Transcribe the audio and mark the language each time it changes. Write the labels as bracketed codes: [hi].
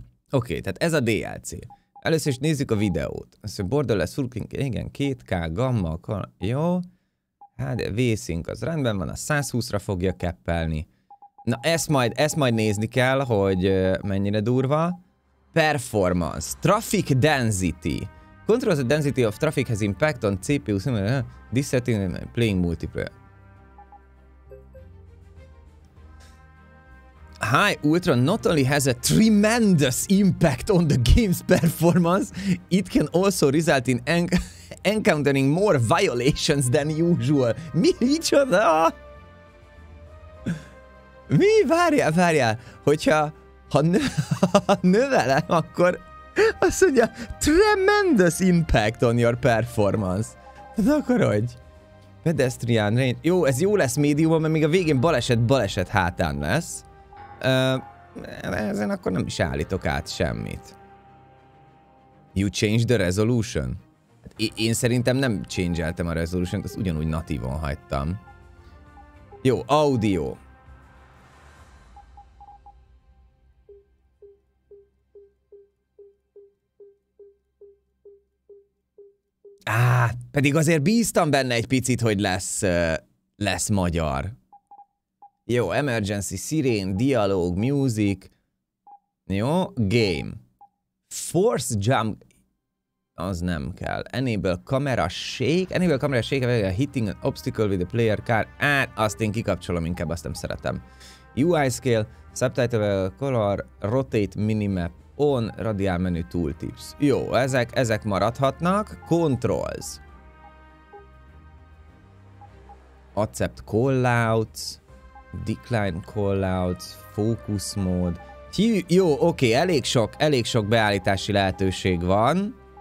[hu] Oké, tehát ez a DLC. Először is nézzük a videót. Azt mondja, Borderless Hulking, igen, 2K, Gamma, jó. Hát, V-Sync az rendben van, a 120-ra fogja keppelni. Na, ezt majd nézni kell, hogy mennyire durva. [en] Performance. Traffic density. Control the density of traffic has impact on CPU. This setting playing multiplayer. High Ultra not only has a tremendous impact on the game's performance, it can also result in encountering more violations than usual. [hu] Micsoda? Mi? Várjál. Ha növelem, akkor azt mondja, [en] tremendous impact on your performance. [hu] Hát akkor hogy? Pedestrian rain. Jó, ez jó lesz médiumon, mert még a végén baleset hátán lesz. Ezen akkor nem is állítok át semmit. [en] You change the resolution? [hu] Én szerintem nem change-eltem a resolution-t, azt ugyanúgy natívon hagytam. Jó, audio. Á, pedig azért bíztam benne egy picit, hogy lesz magyar. Jó, emergency, szirén, dialog, music. Jó, game. Force jump. az nem kell. [en] Enable camera shake. Enable camera shake, a hitting an obstacle with the player car. [hu] Azt én kikapcsolom, inkább azt nem szeretem. [en] UI scale, subtitle color, rotate minimap on, radial menu tooltips. [hu] Jó, ezek maradhatnak. Controls. [en] Accept callouts, decline callouts, focus mode. [hu] Jó, oké, elég sok beállítási lehetőség van.